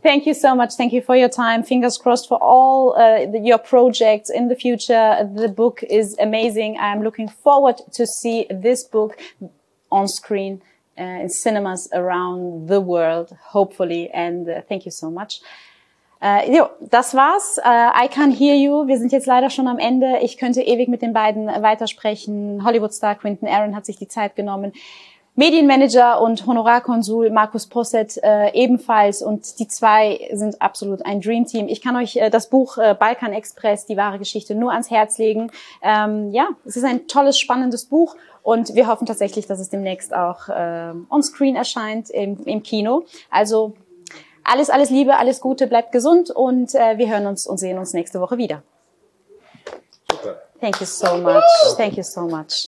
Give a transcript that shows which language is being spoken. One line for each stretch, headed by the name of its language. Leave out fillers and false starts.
English: Thank you so much. Thank you for your time. Fingers crossed for all your projects in the future. The book is amazing. I'm looking forward to see this book on screen in cinemas around the world, hopefully. And thank you so much.
German: Das war's.
English: I can hear you.
German: Wir sind jetzt leider schon am Ende. Ich könnte ewig mit den beiden weitersprechen. Hollywood-Star Quentin Aaron hat sich die Zeit genommen. Medienmanager und Honorarkonsul Markus Posset ebenfalls, und die zwei sind absolut ein Dreamteam. Ich kann euch das Buch Balkan Express, die wahre Geschichte, nur ans Herz legen. Ja, es ist ein tolles, spannendes Buch und wir hoffen tatsächlich, dass es demnächst auch
English: on screen
German: erscheint im Kino. Also alles, alles Liebe, alles Gute, bleibt gesund und wir hören uns und sehen uns nächste Woche wieder. Super.
English: Thank you so much. Thank you so much.